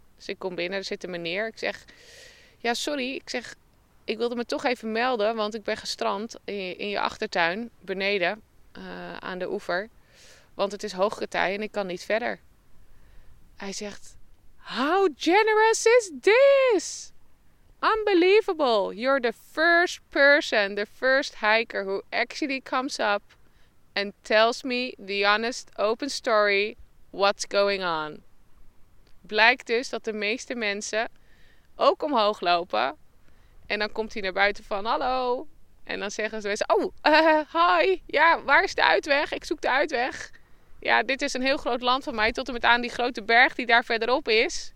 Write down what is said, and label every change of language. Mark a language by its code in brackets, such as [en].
[nl] Dus ik kom binnen, er zit een meneer. Ik zeg, ja sorry, ik wilde me toch even melden, want ik ben gestrand in je achtertuin, beneden, aan de oever. Want het is hoge tij en ik kan niet verder. Hij zegt, [en] how generous is this? Unbelievable. You're the first person, the first hiker who actually comes up and tells me the honest, open story, what's going on. [nl] Blijkt dus dat de meeste mensen ook omhoog lopen. En dan komt hij naar buiten van, hallo. En dan zeggen ze, hi. Ja, waar is de uitweg? Ik zoek de uitweg. Ja, dit is een heel groot land van mij, tot en met aan die grote berg die daar verderop is.